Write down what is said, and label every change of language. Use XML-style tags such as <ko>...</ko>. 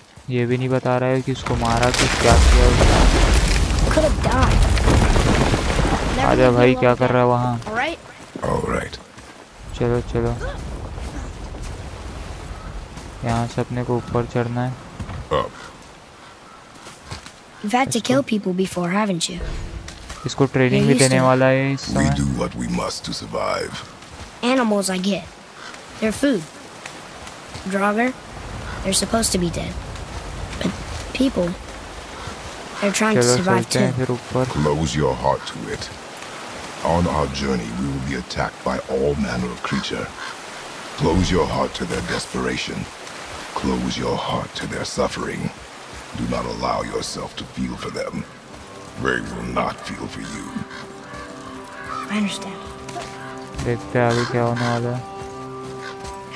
<hi>ये भी नहीं बता रहा है कि उसको मारा कि क्या किया उसने।</hi> <en>Could have died.</en> <hi>आजा भाई, क्या कर रहा है वहाँ?</hi> <en>All right.</en> <hi>चलो चलो, यहाँ से अपने को ऊपर चढ़ना है।</hi> <en>You've had to kill people before, haven't you?</en> <hi>इसको ट्रेनिंग भी देने वाला है इस समय।</hi> <en>We do what we must to survive. Animals, I get. They're food. Draugr, they're supposed to be dead. But people, they're trying to survive too. Close your heart to it. On our journey, we will be attacked by all manner of creature. Close your heart to their desperation. Close your heart to their suffering. Do not allow yourself to feel for them. They will not feel for you. I understand.</en> <hi>देखते हैं आगे क्या होने वाला है।</hi>